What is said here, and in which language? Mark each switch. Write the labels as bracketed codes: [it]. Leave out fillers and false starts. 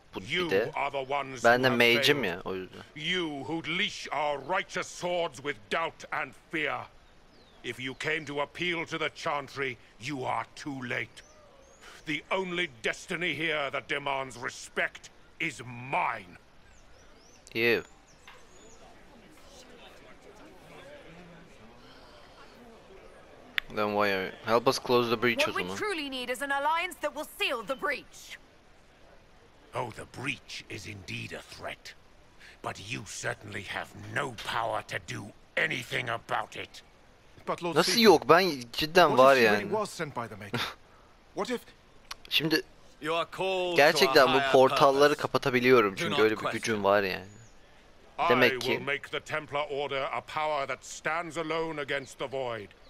[tr] Bu bir de ben de mage'im ya, o yüzden. [en] You who'd leash our righteous swords with doubt and fear. If you came to appeal to the Chantry, you are too late. The only destiny here that demands respect is mine. You. Then why are you? Help us close the breach, what we truly need is an alliance that will seal the breach. Oh, the breach is indeed a threat. But you certainly have no power to do anything about it. But Lord [tr] Nasıl yok? Ben cidden var yani. [en] What if... [tr] Şimdi... Gerçekten bu portalları kapatabiliyorum çünkü öyle bir gücüm var yani. Demek ki... [en] I will make the Templar Order a power that stands alone against the Void.